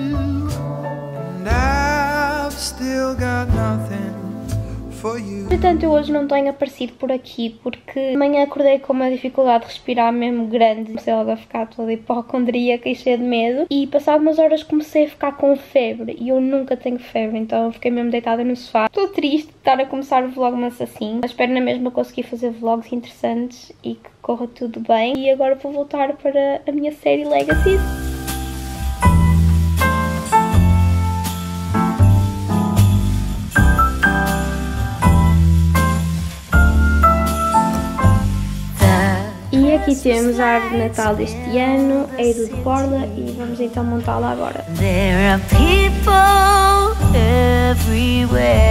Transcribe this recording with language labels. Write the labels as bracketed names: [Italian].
[English] And I've still got nothing for you. [Portuguese] Entretanto, eu hoje não tenho aparecido por aqui porque amanhã acordei com uma dificuldade de respirar mesmo grande. Comecei logo a ficar toda hipocondríaca e cheia de medo. E passado umas horas comecei a ficar com febre e eu nunca tenho febre, então eu fiquei mesmo deitada no sofá. Estou triste de estar a começar o vlogmas assim, mas espero na mesma conseguir fazer vlogs interessantes e que corra tudo bem. E agora vou voltar para a minha série Legacy. Aqui temos a árvore de Natal deste ano, é do de Borla, e vamos então montá-la agora. [English] There are people everywhere.